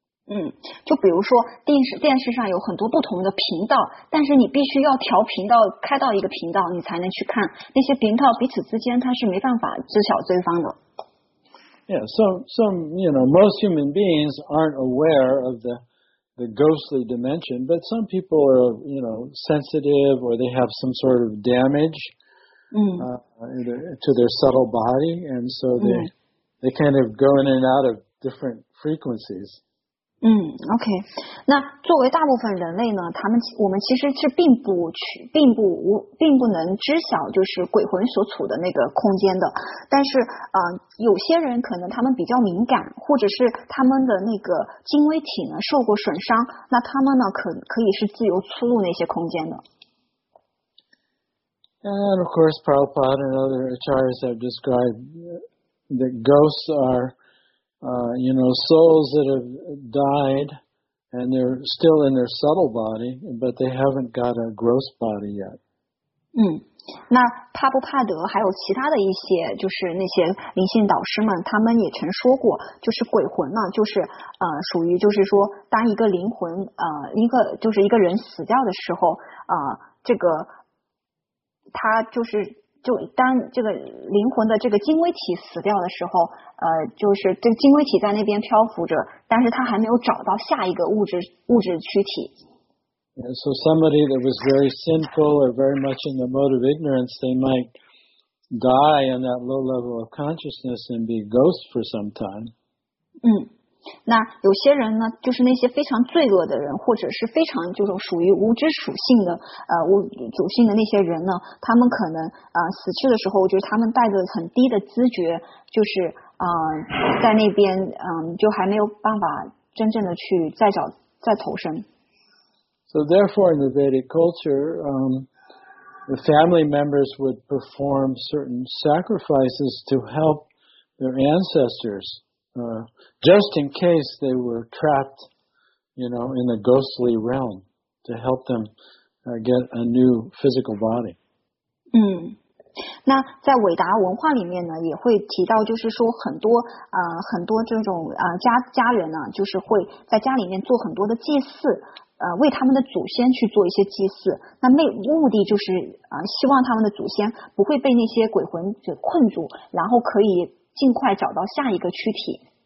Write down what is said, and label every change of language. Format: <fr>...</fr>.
<zh>嗯，就比如说电视上有很多不同的频道，但是你必须要调频道，开到一个频道，你才能去看那些频道彼此之间，它是没办法知晓对方的。</zh> <en>Yeah, so you know, most human beings aren't aware of the ghostly dimension, but some people are, you know, sensitive or they have some sort of damage to their subtle body, and so they kind of go in and out of different frequencies.</en> <zh>嗯 ，OK， 那作为大部分人类呢，我们其实是并不能知晓就是鬼魂所处的那个空间的。但是有些人可能他们比较敏感，或者是他们的那个精微体呢受过损伤，那他们呢可以是自由出入那些空间的。</zh> <en>And of course, Prabhupada and other acharyas have described that ghosts are. You know, souls that have died and they're still in their subtle body, but they haven't got a gross body yet.</en> <zh>嗯，那帕布帕德还有其他的一些，就是那些灵性导师们，他们也曾说过，就是鬼魂呢，就是属于就是说，当一个灵魂一个就是一个人死掉的时候这个他就是。就当这个灵魂的这个精微体死掉的时候，就是这精微体在那边漂浮着，但是他还没有找到下一个物质躯体。</zh> <en>Yeah, so somebody that was very sinful or very much in the mode of ignorance, they might die in that low level of consciousness and be ghost for some time.</en> <zh>嗯，那有些人呢，就是那些非常罪恶的人，或者是非常就是属于无知属性的属性的那些人呢，他们可能死去的时候，就是他们带着很低的知觉，就是在那边就还没有办法真正的去再投生。</zh> <en>So therefore, in the Vedic culture, the family members would perform certain sacrifices to help their ancestors. Just in case they were trapped, you know, in the ghostly realm. to help them get a new physical body.</en> <zh>那在伟达文化里面呢，也会提到，就是说很多很多这种家人呢，就是会在家里面做很多的祭祀，为他们的祖先去做一些祭祀。那那目的就是希望他们的祖先不会被那些鬼魂给困住，然后可以尽快找到下一个躯体。</zh>